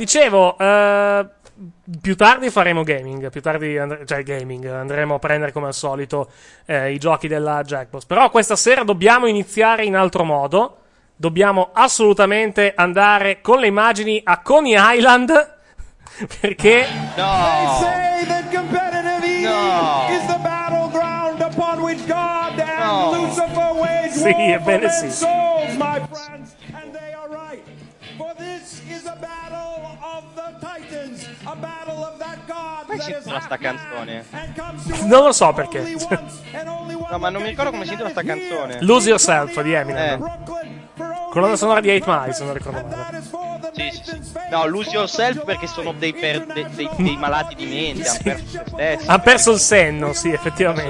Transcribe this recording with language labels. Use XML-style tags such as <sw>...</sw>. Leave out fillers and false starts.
<it>Più tardi faremo gaming, andremo a prendere come al solito i giochi della Jackbox, però questa sera dobbiamo iniziare in altro modo. Dobbiamo assolutamente andare con le immagini a Coney Island, perché... No!</it> <en>They say that competitive Eve is the battleground upon which God and Lucifer wage war.</en> <it>Sì, ebbene sì.</it> <en>Souls, my friends, and they are right. For this is a battle of the titans, a battle of that God that is</en> <it>Batman. Sta canzone. Non lo so perché. No, ma non mi ricordo come si intitola sta canzone. Lose Yourself di Eminem. Colonna sonora di 8 Mile, se non ricordo male. Sì, sì. No, lose yourself perché sono dei, dei malati di mente. Sì. Hanno perso il senno, sì, effettivamente.</it>